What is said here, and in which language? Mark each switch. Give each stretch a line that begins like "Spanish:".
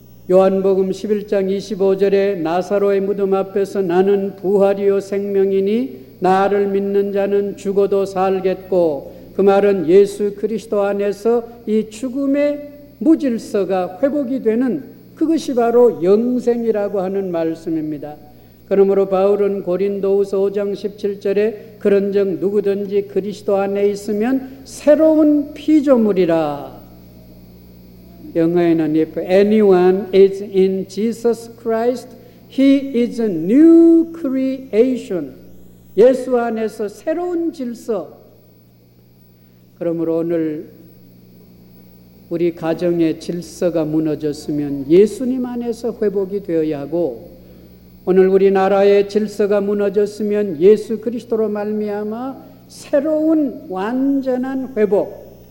Korean: 요한복음 11장 25절에 나사로의 무덤 앞에서 나는 부활이요 생명이니 나를 믿는 자는 죽어도 살겠고, 그 말은 예수 그리스도 안에서 이 죽음의 무질서가 회복이 되는 그것이 바로 영생이라고 하는 말씀입니다. 그러므로 바울은 고린도후서 5장 17절에 그런즉 누구든지 그리스도 안에 있으면 새로운 피조물이라. 영어에는
English: if anyone is in Jesus Christ, he is a new creation.
Korean: 예수 안에서 새로운 질서. 그러므로 오늘 우리 가정의 질서가 무너졌으면 예수님 안에서 회복이 되어야 하고, 오늘 우리 나라의 질서가 무너졌으면 예수 그리스도로 말미암아 새로운 완전한 회복.